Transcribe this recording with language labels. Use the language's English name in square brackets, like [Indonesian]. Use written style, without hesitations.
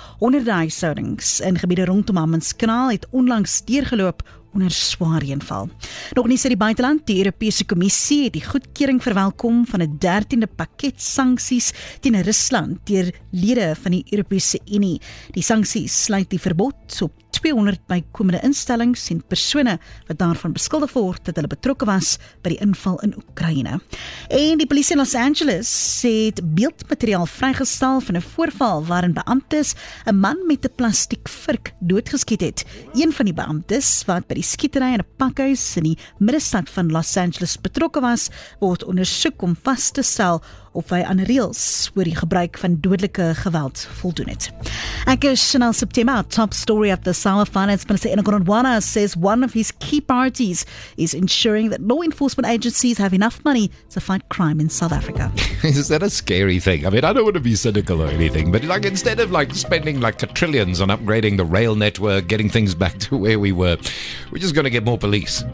[Afrikaans] Honderde huishoudings in gebiede rondom Hammanskraal het onlangs deurgeloop onder swaar reënval. Nog nie sit die buiteland, die Europese Kommissie het die goedkeuring verwelkom van 'n 13de pakket sanksies teen Rusland deur lede van die Europese Unie. Die sanksies sluit die verbod op 200 bykomende instellings en persone wat daarvan beskuldig word dat hulle betrokke was by die inval in Oekraïne. En die polisie in Los Angeles het beeldmateriaal vrygestel van 'n voorval waarin beamptes 'n man met 'n plastiek vurk doodgeskiet het. Een van die beamptes wat by die skietery in 'n pakhuis in die middestad van Los Angeles betrokke was, word ondersoek om vas te stel of hy aan reëls oor die gebruik van dodelike geweld voldoen het. [English] Ek is Chanel September, top story of the summer. Finance Minister Enagonwana says one of his key priorities is ensuring that law enforcement agencies have enough money to fight crime in South Africa. Is that a scary thing? I mean, I don't want to be cynical or anything, but like instead of like spending like trillions on upgrading the rail network, getting things back to where we were, we're just going to get more police.